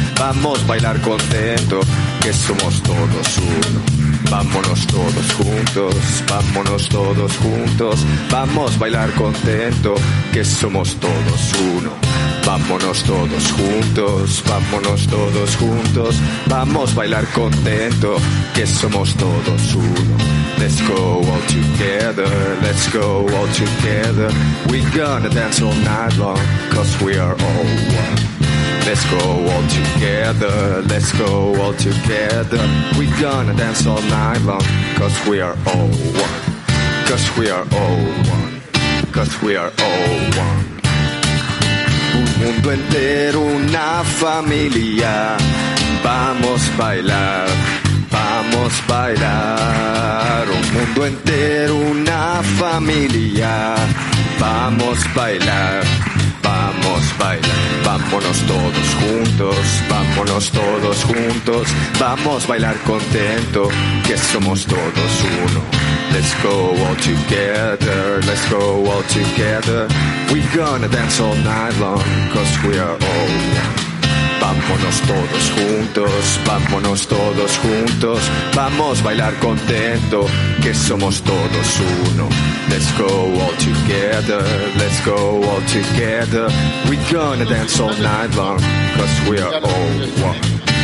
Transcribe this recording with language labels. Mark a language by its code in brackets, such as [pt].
[es] Vamos a bailar contento, que somos todos uno. Vámonos todos juntos, vámonos todos juntos. Vamos a bailar contento, que somos todos uno. Vámonos todos juntos, vámonos todos juntos. Vamos a bailar contento, que somos todos uno. [en] Let's go all together, let's go all together. We're gonna dance all night long, cause we are all one. Let's go all together, let's go all together. We're gonna dance all night long, cause we are all one. Cause we are all one, cause we are all one. [es] Un mundo entero, una familia. Vamos a bailar, vamos a bailar. Un mundo entero, una familia. Vamos a bailar, vamos a bailar. Vámonos todos juntos, vámonos todos juntos. Vamos a bailar contento, que somos todos uno. [en] Let's go all together, let's go all together. We're gonna dance all night long, cause we are all one. [es] Vámonos todos juntos, vámonos todos juntos. Vamos a bailar contento, que somos todos uno. [en] Let's go all together, let's go all together. We're gonna dance all night long, cause we are all one.